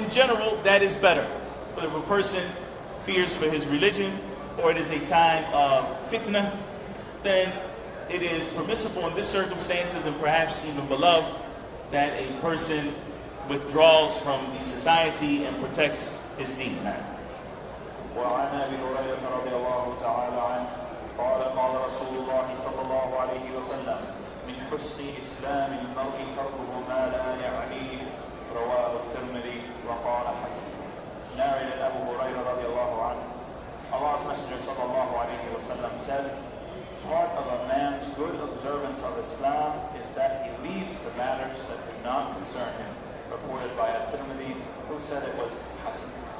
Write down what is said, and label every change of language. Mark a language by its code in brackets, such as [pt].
[en] In general, that is better. But if a person fears for his religion or it is a time of fitna, then it is permissible in this circumstances and perhaps even beloved that a person withdraws from the society and protects his deen. [ar] وعن أبي هريرة رضي الله تعالى عنه قال قال رسول الله صلى الله عليه وسلم من حسن إسلام المرء تركه ما لا يعنيه رواه الترمذي وقال حسن. نعل أبو هريرة رضي الله عنه الله سبحانه صلى الله عليه وسلم [en] said, part of a man's good observance of Islam is that he leaves the matters that do not concern him, reported by At-Tirmidhi, who said it was Hassan.